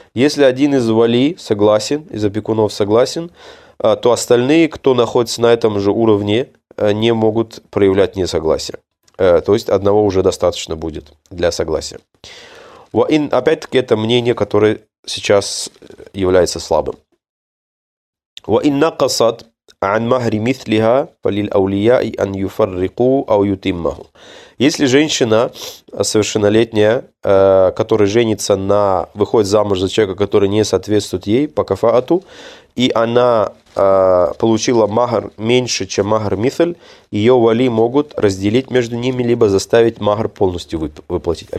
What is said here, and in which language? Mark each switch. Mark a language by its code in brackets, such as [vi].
[ru] Если один из вали согласен, из опекунов согласен, то остальные, кто находится на этом же уровне, не могут проявлять несогласие. То есть одного уже достаточно будет для согласия. Опять-таки это мнение, которое сейчас является слабым. [ar] وإن نقصت عن مهر مثلها فللأولياء أن يفرقوا أو يتمهم. [ru] Если женщина совершеннолетняя, которая женится на, выходит замуж за человека, который не соответствует ей по кафаату, и она получила махр меньше, чем махр мисль, ее вали могут разделить между ними, либо заставить махр полностью выплатить.